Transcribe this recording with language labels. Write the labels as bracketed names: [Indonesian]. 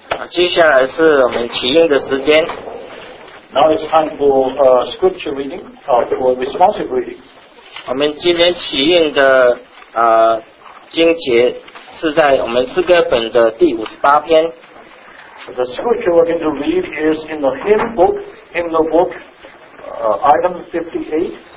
[Chinese] 接下来是我们起应的时间。 [English] Now it's time for scripture reading, for responsive reading. [Chinese] 我们今天起应的经节是在我们诗歌本的第58篇。 [English] The scripture we're going to read is in the hymn book, item 58.